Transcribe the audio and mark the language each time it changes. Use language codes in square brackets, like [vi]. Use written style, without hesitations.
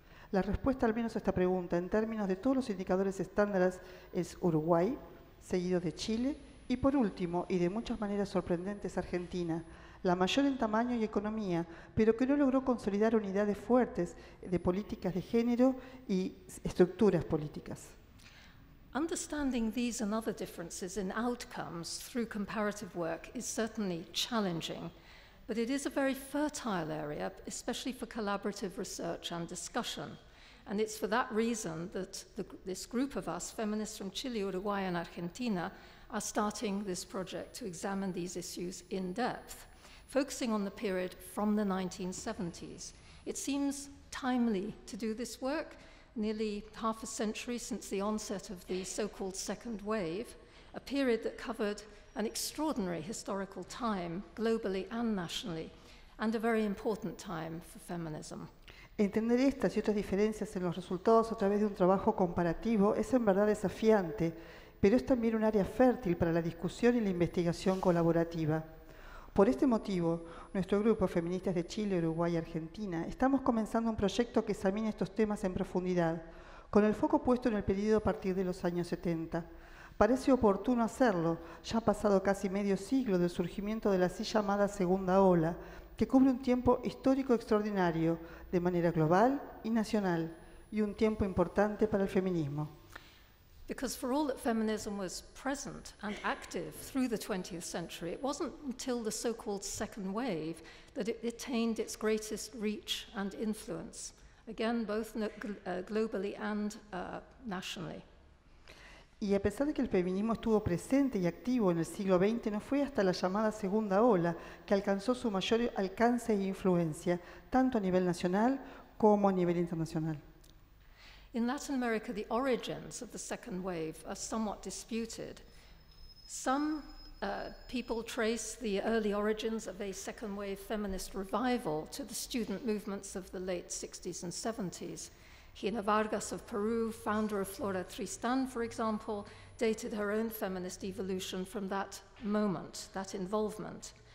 [es] La respuesta, al menos a esta pregunta, en términos de todos los indicadores estándares, es Uruguay, seguido de Chile, y por último, y de muchas maneras sorprendentes, Argentina, la mayor en tamaño y economía, pero que no logró consolidar unidades fuertes de políticas de género y estructuras políticas. [en] Understanding these and other differences in outcomes through comparative work is certainly challenging, but it is a very fertile area, especially for collaborative research and discussion. And it's for that reason that this group of us, feminists from Chile, Uruguay, and Argentina, are starting this project to examine these issues in depth, focusing on the period from the 1970s. It seems timely to do this work, nearly half a century since the onset of the so-called second wave, a period that covered an extraordinary historical time, globally and nationally, and a very important time for feminism. [es] Entender estas y otras diferencias en los resultados a través de un trabajo comparativo es en verdad desafiante, pero es también un área fértil para la discusión y la investigación colaborativa. Por este motivo, nuestro grupo Feministas de Chile, Uruguay y Argentina estamos comenzando un proyecto que examina estos temas en profundidad, con el foco puesto en el periodo a partir de los años 70. Parece oportuno hacerlo, ya ha pasado casi medio siglo del surgimiento de la así llamada segunda ola, que cubre un tiempo histórico extraordinario, de manera global y nacional, y un tiempo importante para el feminismo. [en] Because for all that feminism was present and active through the 20th century, it wasn't until the so-called second wave that it attained its greatest reach and influence, again, both globally and nationally. [es] Y a pesar de que el feminismo estuvo presente y activo en el siglo XX, no fue hasta la llamada segunda ola que alcanzó su mayor alcance e influencia, tanto a nivel nacional como a nivel internacional. [en] In Latin America, the origins of the second wave are somewhat disputed. Some people trace the early origins of a second wave feminist revival to the student movements of the late 60s and 70s. Gina Vargas of Peru, founder of Flora Tristán, for example, dated her own feminist evolution from that moment, that involvement.